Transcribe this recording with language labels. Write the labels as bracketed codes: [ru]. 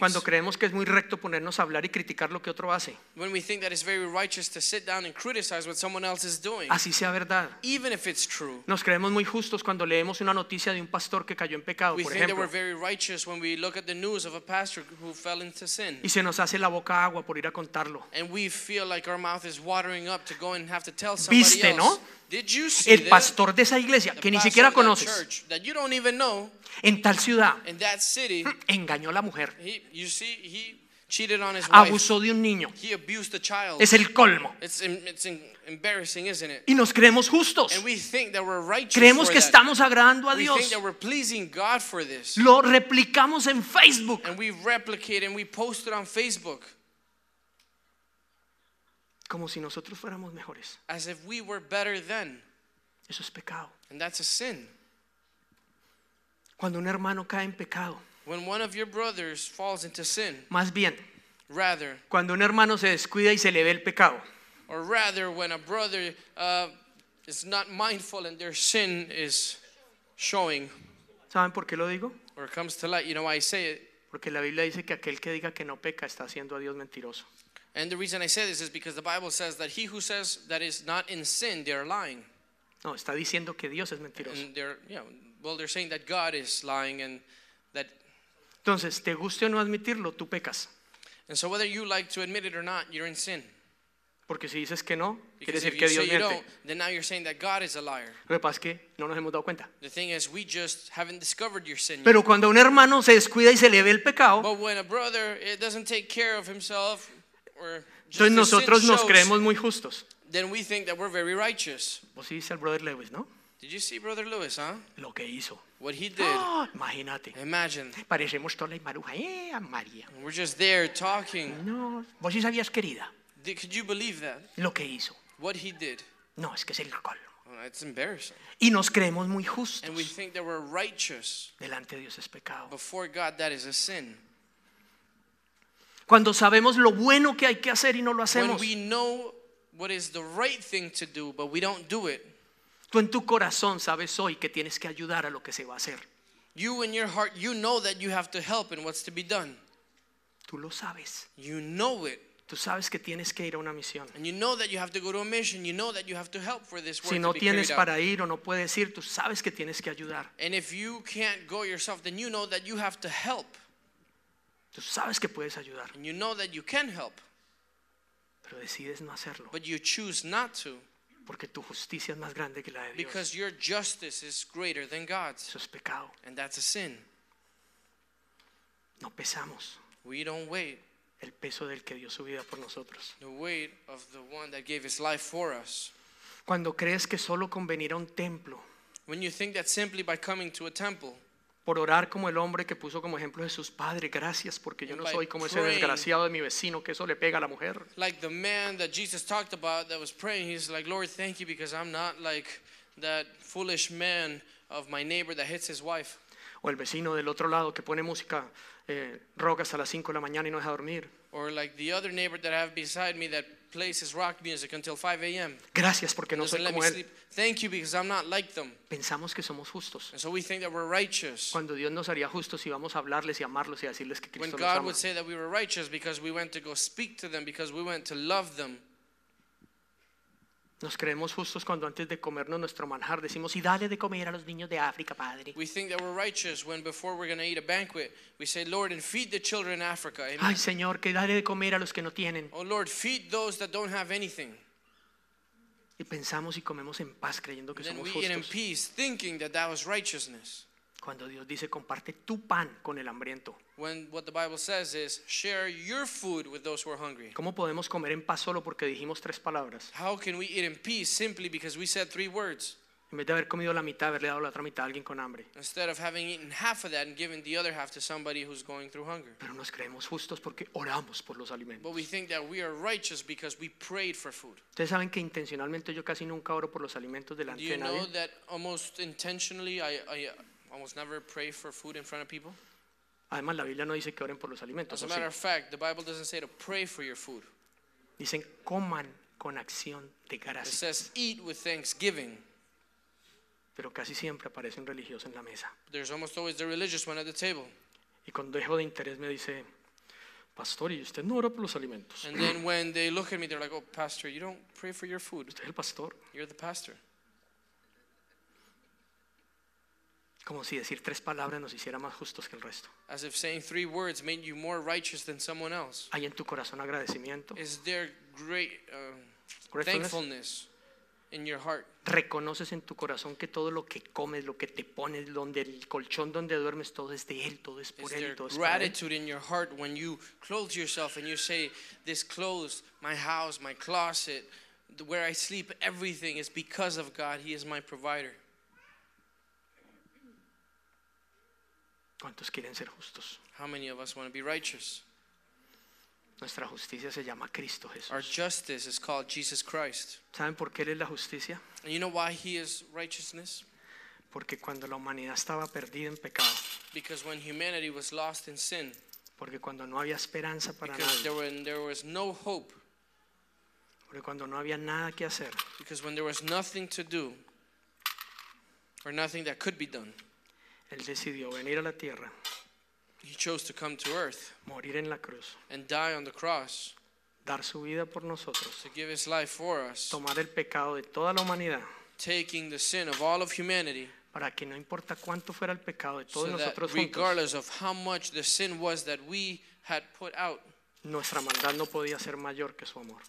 [es] Cuando creemos que es muy recto ponernos a hablar y criticar lo que otro hace. [en] When we think that it's very righteous to sit down and criticize what someone else is doing. [es] Así sea verdad. [en] Even if it's true. [es] Nos creemos muy justos cuando leemos una noticia de un pastor que cayó en pecado, por ejemplo. [en] We think that we're very righteous when we look at the news of a pastor who fell into sin. [es] Y se nos hace la boca agua por ir a contarlo. [en] And we feel like our mouth is watering up to go and have to tell somebody [es] ¿viste, [en] else, [es] no? [en] Did you see [es] el pastor de esa iglesia que ni siquiera conoces [en] that you don't even know, [es] en tal ciudad [en] in that city, [es] engañó a la mujer [en] he cheated on his [es] abusó [en] wife. [es] De un niño [en] he abused a child. [es] Es el colmo [en] it's embarrassing, isn't it? [es] Y nos creemos justos [en] and we think that we're righteous [es] creemos [en] for [es] que [en] that. [es] Estamos agradando a Dios [en] we think that we're pleasing God for this. [es] Lo replicamos en Facebook [en] and we replicate and we post it on Facebook [es] como si nosotros fuéramos mejores. [en] As if we were better then. [es] Eso es pecado. [en] And that's a sin. [es] Cuando un hermano cae en pecado. [en] When one of your brothers falls into sin. [es] Más bien. [en] Rather. [es] Cuando un hermano se descuida y se le ve el pecado. [en] Or rather when a brother is not mindful and their sin is showing. [es] ¿Saben por qué lo digo? [en] Or it comes to light, you know why I say it? [es] Porque la Biblia dice que aquel que diga que no peca está haciendo a Dios mentiroso. [en] And the reason I say this is because the Bible says that he who says that is not in sin, they are lying. [es] No, está diciendo que Dios es mentiroso. [en] And they're, you know, well, they're saying that God is lying and that. [es] Entonces, te guste o no admitirlo, tú pecas. [en] And so whether you like to admit it or not, you're in sin. [es] Porque si dices que no, quiere decir que Dios miente. [en] Then now you're saying that God is a liar. [es] Lo que pasa es que no nos hemos dado cuenta. [en] The thing is, we just haven't discovered your sin. [es] Pero cuando un hermano se descuida y se le ve el pecado. [en] But when a brother doesn't take care of himself. [es] Entonces nosotros nos creemos muy justos. [en] Then we think that we're very righteous. [es] ¿Vos sí viste al Brother Lewis, no? [en] Did you see Brother Lewis, huh? [es] Lo que hizo. [en] What he did. [es] Oh, imagínate. [en] Imagine. [es] Parecemos toda la maruja, a María. [en] We're just there talking. [es] No. ¿Vos sí sabías, querida? [en] Could you believe that? [es] Lo que hizo. [en] What he did. [es] No, es que es el colmo. [en] It's embarrassing. [es] Y nos creemos muy justos. [en] And we think that we're righteous. [es] Delante de Dios es pecado. [en] Before God, that is a sin. [es] Cuando sabemos lo bueno que hay que hacer y no lo hacemos. [en] When we know what is the right thing to do, but we don't do it. [es] Tú en tu corazón sabes hoy que tienes que ayudar a lo que se va a hacer. [en] You in your heart, you know that you have to help in what's to be done. [es] Tú lo sabes. [en] You know it. [es] Tú sabes que tienes que ir a una misión. [en] And you know that you have to go to a mission. You know that you have to help for this work to be carried out. [es] Si no tienes para ir o no puedes ir, tú sabes que tienes que ayudar. [en] And if you can't go yourself, then you know that you have to help. [es] Tú sabes que puedes ayudar. [en] And you know that you can help. [es] Pero decides no hacerlo. [en] But you choose not to. [es] Porque tu justicia es más grande que la de Dios. [en] Because your justice is greater than God's. [es] Eso es pecado. [en] And that's a sin. [es] No pesamos. [en] We don't weigh. [es] El peso del que dio su vida por nosotros. [en] The weight of the one that gave his life for us. [es] Cuando crees que solo con venir a un templo. [en] When you think that simply by coming to a temple. [es] Por orar como el hombre que puso como ejemplo Jesús, Padre, gracias porque yo no soy como ese desgraciado de mi vecino que eso le pega a la mujer. [en] Like the man that Jesus talked about that was praying, he's like, Lord, thank you because I'm not like that foolish man of my neighbor that hits his wife. [es] O el vecino del otro lado que pone música rock hasta las 5 de la mañana y no deja dormir. [en] Or like the other neighbor that I have beside me that plays his rock music until 5 a.m. [es] Gracias porque no soy como él. [en] Thank you because I'm not like them. [es] Pensamos que somos justos. [en] And so we think that we're righteous. [es] Cuando Dios nos haría justos íbamos a hablarles y amarlos y decirles que Cristo [en] when [es] los [en] God [es] ama. [en] When God would say that we were righteous because we went to go speak to them because we went to love them. [es] Nos creemos justos cuando antes de comernos nuestro manjar decimos y dale de comer a los niños de África, Padre. [en] We think that we're righteous when before we're going to eat a banquet, we say, Lord, and feed the children in Africa. [es] Amen. Ay, Señor, que dale de comer a los que no tienen. [en] Oh, Lord, feed those that don't have anything. [es] Y pensamos y comemos en paz creyendo que [en] and [es] somos [en] we [es] justos. [en] Eat in peace, thinking that that was righteousness. [es] Cuando Dios dice, comparte tu pan con el hambriento. [en] When what the Bible says is, share your food with those who are hungry. [es] ¿Cómo podemos comer en paz solo porque dijimos tres palabras? [en] How can we eat in peace simply because we said three words? [es] En vez de haber comido la mitad, haberle dado la otra mitad a alguien con hambre. [en] Instead of having eaten half of that and giving the other half to somebody who's going through hunger. [es] Pero nos creemos justos porque oramos por los alimentos. [en] But we think that we are righteous because we prayed for food. [es] ¿Ustedes saben que intencionalmente yo casi nunca oro por los alimentos delante de nadie? [en] Do you know that almost intentionally I almost never pray for food in front of people? [es] Además, la Biblia no dice que oren por los alimentos. [en] As a matter of fact, the Bible doesn't say to pray for your food. [es] Dicen coman con acción de gracias. [en] It says eat with thanksgiving. [es] Pero casi siempre aparece un religioso en la mesa. [en] There's almost always the religious one at the table. [es] Y cuando dejo de interés me dice, pastor, ¿y usted no ora por los alimentos? [en] And then when they look at me, they're like, oh, pastor, you don't pray for your food. [es] Usted es el pastor. [en] You're the pastor. [es] Como si decir tres palabras nos hiciera más justos que el resto. [en] As if saying three words made you more righteous than someone else. [es] ¿Hay en tu corazón agradecimiento? [en] Is there great thankfulness in your heart? [es] ¿Reconoces en tu corazón que todo lo que comes, lo que te pones, donde el colchón donde duermes, todo es de él, todo es por él, todo es por él? [en] Is there gratitude in your heart when you clothe yourself and you say, this clothes, my house, my closet, where I sleep, everything is because of God. He is my provider. [es] ¿Cuántos quieren ser justos? [en] How many of us want to be righteous? [es] Nuestra justicia se llama Cristo Jesús. [en] Our justice is called Jesus Christ. [es] ¿Saben por qué él es la justicia? [en] And you know why he is righteousness? [es] Porque cuando la humanidad estaba perdida en pecado. [en] Because when humanity was lost in sin. [es] Porque cuando no había esperanza para [en] because [es] nadie. [en] Because there was no hope. [es] Porque cuando no había nada que hacer. [en] Because when there was nothing to do. Or nothing that could be done. [es] Él decidió venir a la tierra. [en] He chose to come to earth. [es] Morir en la cruz. [en] And die on the cross. [es] Dar su vida por nosotros. [en] To give his life for us. [es] Tomar el pecado de toda la humanidad. [en] Taking the sin of all of humanity. [es] Para que no importa cuánto fuera el pecado de todos nosotros juntos. [en] So that regardless of how much the sin was that we had put out. [es] Nuestra maldad no podía ser mayor que su amor.